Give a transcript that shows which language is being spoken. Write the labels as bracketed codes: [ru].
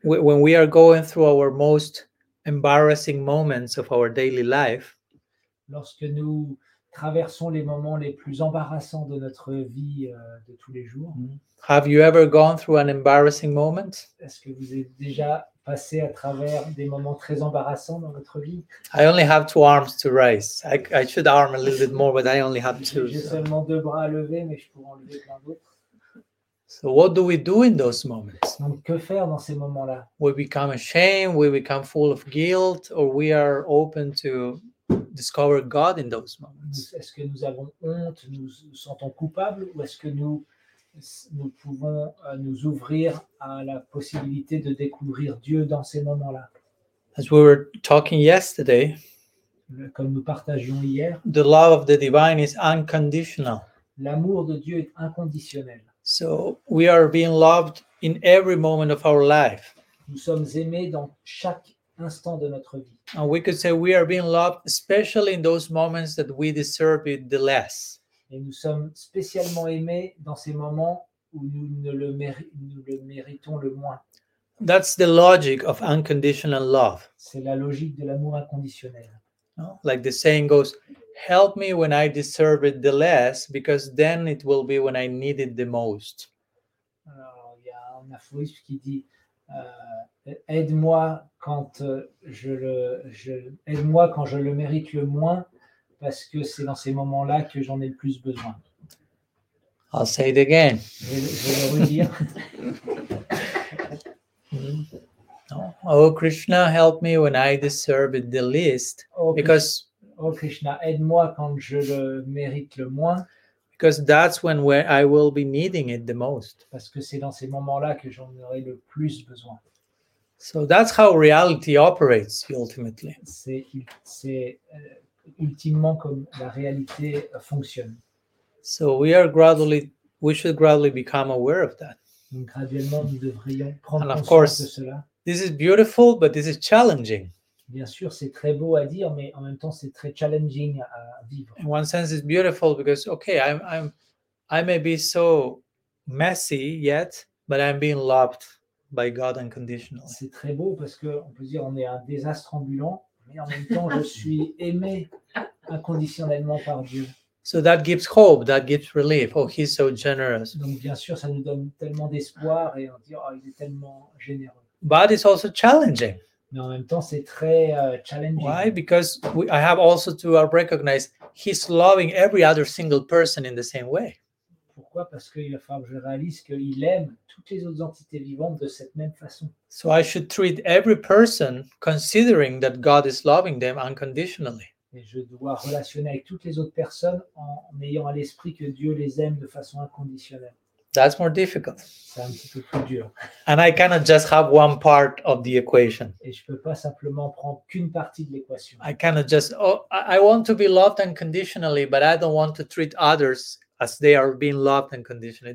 [en] When we are going through our most embarrassing moments of our daily life, [fr] lorsque nous traversons les moments les plus embarrassants de notre vie de tous les jours, [en] have you ever gone through an embarrassing moment? [fr] Est-ce que vous êtes déjà passer à travers des moments très embarrassants dans votre vie. [en] I only have two arms to raise. I should arm a little bit more, but I only have two. [fr] J'ai seulement deux bras à lever, mais je pourrais enlever plein d'autres. [en] So what do we do in those moments? [fr] Donc, que faire dans ces moments-là? [en] We become ashamed, we become full of guilt, or we are open to discover God in those moments. [fr] Est-ce que nous avons honte, nous sentons coupables, ou est-ce que nous pouvons nous ouvrir à la possibilité de découvrir Dieu dans ces moments-là? [en] As we were talking yesterday, [fr] comme nous partageons hier, [en] the love of the divine is unconditional. [fr] L'amour de Dieu est inconditionnel. [en] So we are being loved in every moment of our life. [fr] Nous sommes aimés dans chaque instant de notre vie. [en] And we could say we are being loved especially in those moments that we deserve it the less. [fr] Et nous sommes spécialement aimés dans ces moments où nous le méritons le moins. [en] That's the logic of unconditional love. [fr] C'est la logique de l'amour inconditionnel. [en] Like the saying goes, help me when I deserve it the less, because then it will be when I need it the most. [fr] Alors, il y a un aphorisme qui dit aide-moi quand je le mérite le moins, parce que c'est dans ces moments-là que j'en ai le plus besoin. [en] I'll say it again. [fr] Je vais le redire. [en] Oh Krishna, help me when I deserve it the least. [fr] Oh Krishna, aide-moi quand je le mérite le moins. [en] Because that's when I will be needing it the most. [fr] Parce que c'est dans ces moments-là que j'en aurai le plus besoin. [en] So that's how reality operates ultimately. [fr] C'est ultimement comme la réalité fonctionne. [en] So we should gradually become aware of that. [fr] Donc, graduellement, nous devrions prendre [en] and [fr] conscience [en] of course, [fr] de cela. [en] This is beautiful, but this is challenging. [fr] Bien sûr, c'est très beau à dire, mais en même temps, c'est très challenging à vivre. [en] In one sense, it's beautiful because, okay, I may be so messy yet, but I'm being loved by God unconditionally. [fr] C'est très beau parce qu'on peut dire on est un désastre ambulant, mais en même temps, je suis aimé inconditionnellement par Dieu. [en] So that gives hope, that gives relief. Oh, he's so generous. [fr] Donc, bien sûr, ça nous donne tellement d'espoir et on dit, oh, il est tellement généreux. [en] But it's also challenging. [fr] Mais en même temps, c'est très challenging. [en] Why? Because I have also to recognize he's loving every other single person in the same way. [fr] Pourquoi? Parce qu'il va falloir que je réalise qu'il aime toutes les autres entités vivantes de cette même façon. [en] So I should treat every person considering that God is loving them unconditionally. [fr] Et je dois relationner avec toutes les autres personnes en ayant à l'esprit que Dieu les aime de façon inconditionnelle. [en] That's more difficult. [fr] C'est un petit peu plus dur. [en] And I cannot just have one part of the equation. [fr] Et je peux pas simplement prendre qu'une partie de l'équation. [en] I cannot just, I want to be loved unconditionally, but I don't want to treat others as they are being loved unconditionally.